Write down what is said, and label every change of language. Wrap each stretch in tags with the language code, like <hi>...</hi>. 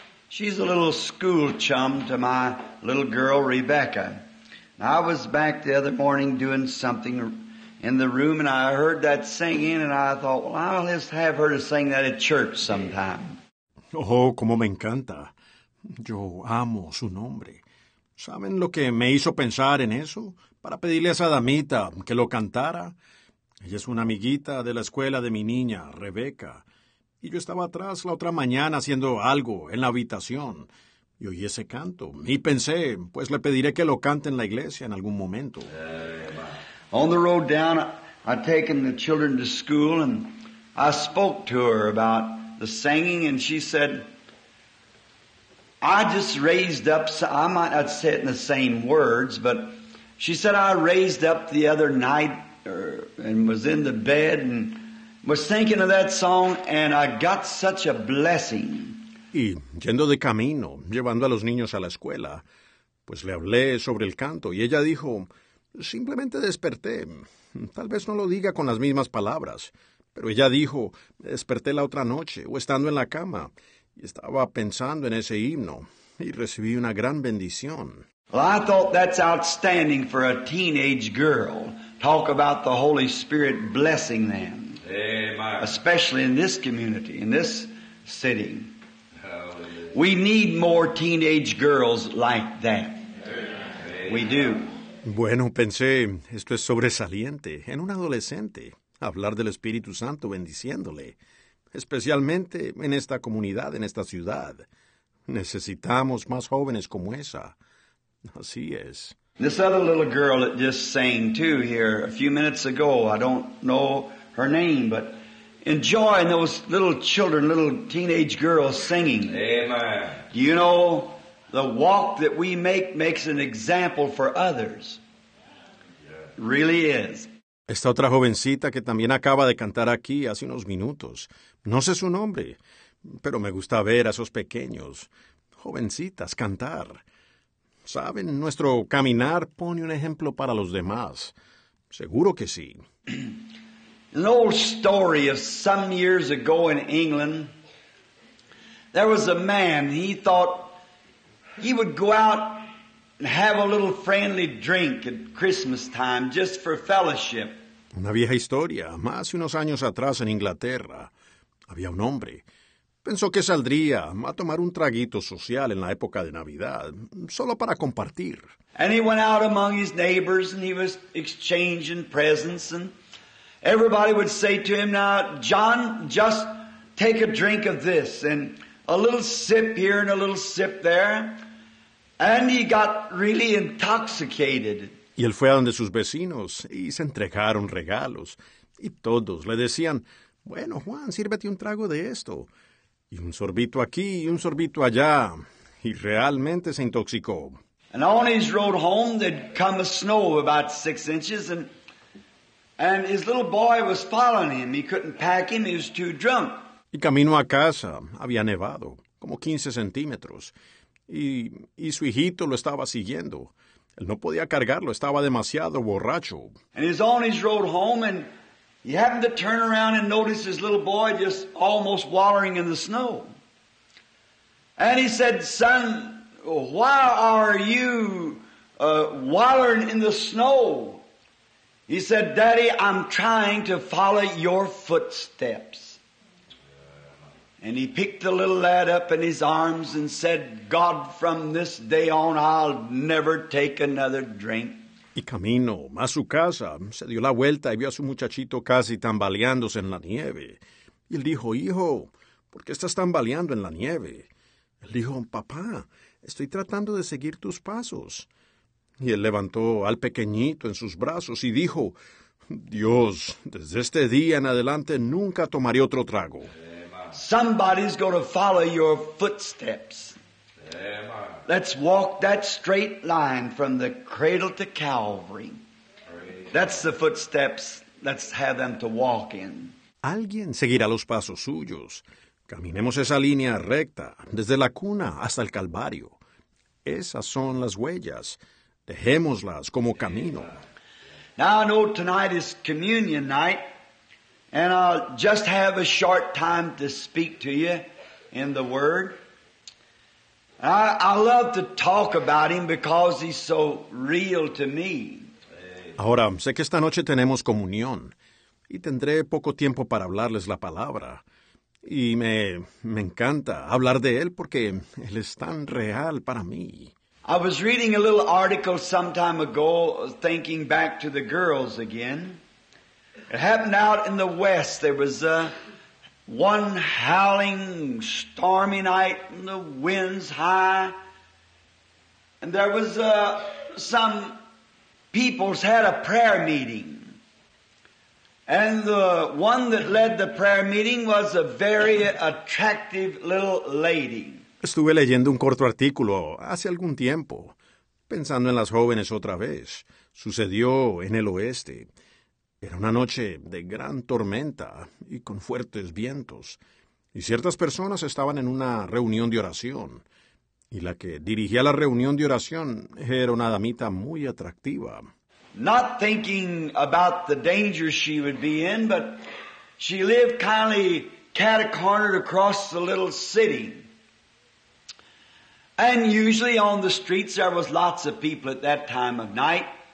<en>She's a little school chum to my little girl, Rebecca. Now, I was back the other morning doing something in the room, and I heard that singing, and I thought, well, I'll just have her to sing that at church sometime.</en> <es>Oh, como me encanta. Yo amo su nombre. ¿Saben lo que me hizo pensar en eso? Para pedirle a esa damita que lo cantara. Ella es una amiguita de la escuela de mi niña, Rebeca. Y yo estaba atrás la otra mañana haciendo algo en la habitación. Y oí ese canto. Y pensé, pues le pediré que lo cante en la iglesia en algún momento.</es> <en>On the road down, I'd taken the children to school, and I spoke to her about the singing, and she said, I just raised up, I might not say it in the same words, but she said, I raised up the other night and was in the bed and was thinking of that song, and I got such a blessing.</en> <es>Y yendo de camino, llevando a los niños a la escuela, pues le hablé sobre el canto, y ella dijo, simplemente desperté. Tal vez no lo diga con las mismas palabras, pero ella dijo, desperté la otra noche, o estando en la cama, y estaba pensando en ese himno, y recibí una gran bendición.</es> <en>Well, I thought that's outstanding for a teenage girl. Talk about the Holy Spirit blessing them. Amen. Especially in this community, in this city. Hallelujah. We need more teenage girls like that. Amen. We do.</en> <es>Bueno, pensé, esto es sobresaliente en un adolescente, hablar del Espíritu Santo bendiciéndole, especialmente en esta comunidad, en esta ciudad. Necesitamos más jóvenes como esa. Así es.</es> <en>This other little girl that just sang too here a few minutes ago, I don't know her name, but enjoying those little children, little teenage girls singing. Amen. Do you know, the walk that we make makes an example for others. Really is.</en> <es>Esta otra jovencita que también acaba de cantar aquí hace unos minutos. No sé su nombre, pero me gusta ver a esos pequeños, jovencitas, cantar. ¿Saben? Nuestro caminar pone un ejemplo para los demás. Seguro que sí.</es> <en>An old story of some years ago in England. There was a man, he thought he would go out and have a little friendly drink at Christmas time just for fellowship.</en> <es>Una vieja historia, más de unos años atrás en Inglaterra. Había un hombre. Pensó que saldría a tomar un traguito social en la época de Navidad, solo para compartir.</es> <en>And he went out among his neighbors and he was exchanging presents and everybody would say to him, now, John, just take a drink of this and a little sip here and a little sip there. And he got really intoxicated.</en> <es>Y él fue a donde sus vecinos y se entregaron regalos. Y todos le decían, bueno, Juan, sírvete un trago de esto. Y un sorbito aquí y un sorbito allá. Y realmente se intoxicó.</es> <en>And on his road home, there'd come a snow of about 6 inches and... And his little boy was following him. He couldn't pack him. He was too drunk.</en> <es>Y camino a casa, había nevado, como 15 centímetros. Y su hijito lo estaba siguiendo. Él no podía cargarlo. Estaba demasiado borracho.</es> <en>And he's on his road home, and he happened to turn around and notice his little boy just almost wallowing in the snow. And he said, son, why are you wallowing in the snow? He said, Daddy, I'm trying to follow your footsteps. And he picked the little lad up in his arms and said, God, from this day on, I'll never take another drink.</en> <es>Y camino a su casa, se dio la vuelta y vio a su muchachito casi tambaleándose en la nieve. Y él dijo, hijo, ¿por qué estás tambaleando en la nieve? Él dijo, papá, estoy tratando de seguir tus pasos. Y él levantó al pequeñito en sus brazos y dijo, Dios, desde este día en adelante nunca tomaré otro trago.</es> <en>Somebody's going to follow your footsteps. Let's walk that straight line from the cradle to Calvary. That's the footsteps. Let's have them to walk in.</en> <es>Alguien seguirá los pasos suyos. Caminemos esa línea recta, desde la cuna hasta el Calvario. Esas son las huellas. Dejémoslas como camino.</es> <en>Now I know tonight is communion night, and I'll just have a short time to speak to you in the Word. I love to talk about him because he's so real to me.</en> <es>Ahora, sé que esta noche tenemos comunión, y tendré poco tiempo para hablarles la palabra. Y me encanta hablar de él porque él es tan real para mí.</es> <en>I was reading a little article some time ago, thinking back to the girls again. It happened out in the West. There was one howling, stormy night, and the winds high. And there was some people's had a prayer meeting. And the one that led the prayer meeting was a very attractive little lady.</en> <es>Estuve leyendo un corto artículo hace algún tiempo, pensando en las jóvenes otra vez. Sucedió en el oeste. Era una noche de gran tormenta y con fuertes vientos. Y ciertas personas estaban en una reunión de oración. Y la que dirigía la reunión de oración era una damita muy atractiva.</es> <en>Not thinking about the danger she would be in, but she lived kindly catacornered across the little city. And usually on the streets there was lots of people at that time of night.</en>